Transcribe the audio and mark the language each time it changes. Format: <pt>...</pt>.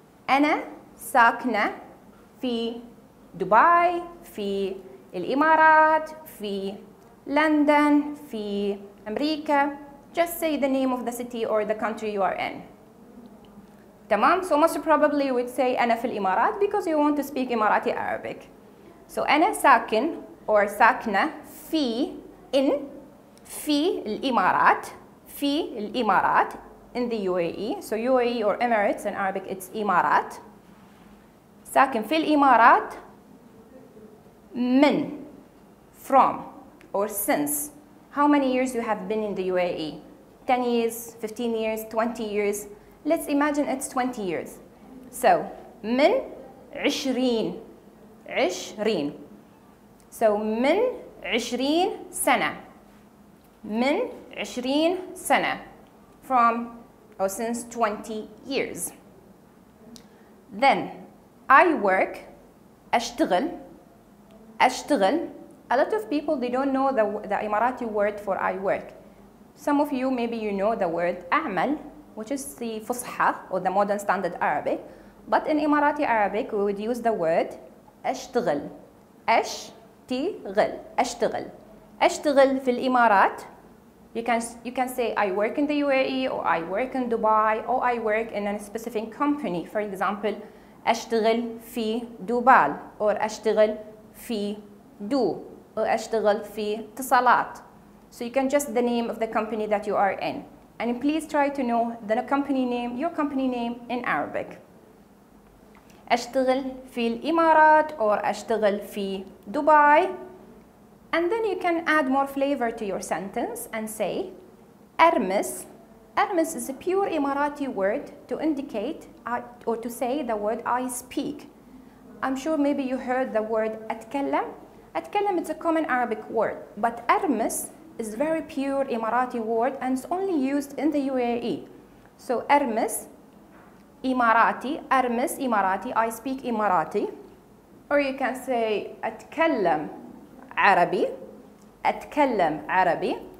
<ar>أنا ساكنة في دبي, في الإمارات, في لندن, في أمريكا.</ar> <en>Just say the name of the city or the country you are in. تمام؟ So most probably you would say</en> <ar>أنا في الإمارات</ar> <en>because you want to speak Emirati Arabic.</en> <ar>So أنا ساكن or ساكنة في in في الإمارات في الإمارات</ar> <en>in the UAE. So UAE or Emirates in Arabic, it's Imarat.</en> <ar>ساكن في الإمارات من,</ar> <en>from, or since. How many years you have been in the UAE? 10 years, 15 years, 20 years. Let's imagine it's 20 years.</en> <ar>So من عشرين, عشرين. So من عشرين سنة. من عشرين سنة.</ar> <en>From or since 20 years. Then, I work,</en> <ar>أشتغل, أشتغل.</ar> <en>A lot of people, they don't know the Emirati word for I work. Some of you, maybe you know the word أعمل, which is the فصحى, or the modern standard Arabic. But in Emirati Arabic, we would use the word أشتغل.</en> <ar>أشتغل, أشتغل. أشتغل في الإمارات.</ar> <en>You can say I work in the UAE or I work in Dubai or I work in a specific company. For example,</en> <ar>أشتغل في دبي or أشتغل في do أشتغل في اتصالات.</ar> <en>So you can just the name of the company that you are in. And please try to know the company name, your company name in Arabic.</en> <ar>أشتغل في الإمارات or أشتغل في دبي.</ar> <en>And then you can add more flavor to your sentence and say أرمس. أرمس is a pure Emirati word to indicate or to say the word I speak. I'm sure maybe you heard the word أتكلم. أتكلم is a common Arabic word, but أرمس is very pure Emirati word and it's only used in the UAE.</en> <ar>So أرمس إماراتي, أرمس إماراتي,</ar> <en>I speak</en> <ar>إماراتي.</ar> <en>Or you can say</en> <ar>أتكلم عربي, أتكلم عربي.</ar>